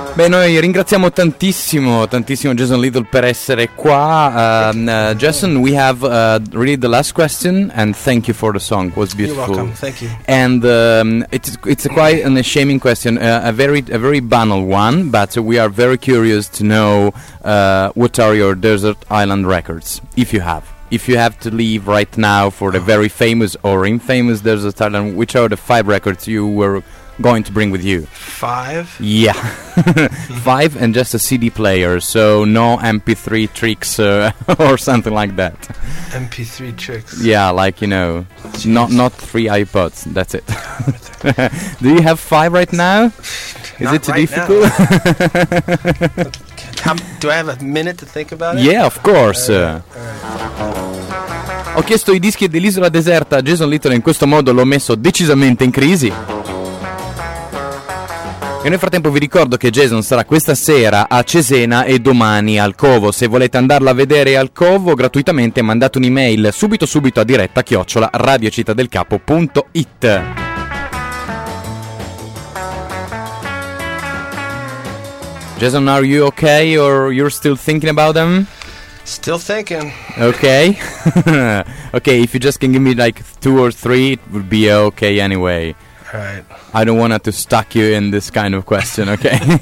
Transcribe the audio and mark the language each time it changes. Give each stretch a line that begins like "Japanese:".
Italian: Beh, noi ringraziamo tantissimo, tantissimo Jason Little per essere qua.
English: Jason, we have really the last question, and thank you for the song. It was beautiful. You're welcome. Thank you. And it's a quite an shaming question, a very banal one, but we are very curious to know what are your desert island records, if you have. If you have to leave right now for the very famous or infamous desert island, which are the five records you were going to bring with you? Five? Yeah. Five and just a CD player, so no MP3 tricks or something like that. MP3 tricks? Yeah, like, you know, not three iPods, that's it. Do you have five right now? Is not it too right difficult? Do I have a minute to think about it? Yeah, of course.
Italian: Ho chiesto i dischi dell'isola deserta a Jason Little, in questo modo l'ho messo decisamente in crisi. E nel frattempo vi ricordo che Jason sarà questa sera a Cesena e domani al Covo. Se volete andarla a vedere al Covo gratuitamente, mandate un'email subito a diretta@radiocittadelcapo.it.
English: Jason, are you okay, or you're still thinking about them? Still thinking. Okay. Okay, if you just can give me like two or three, it would be okay anyway. Right. I don't want to stuck you in this kind of question, okay?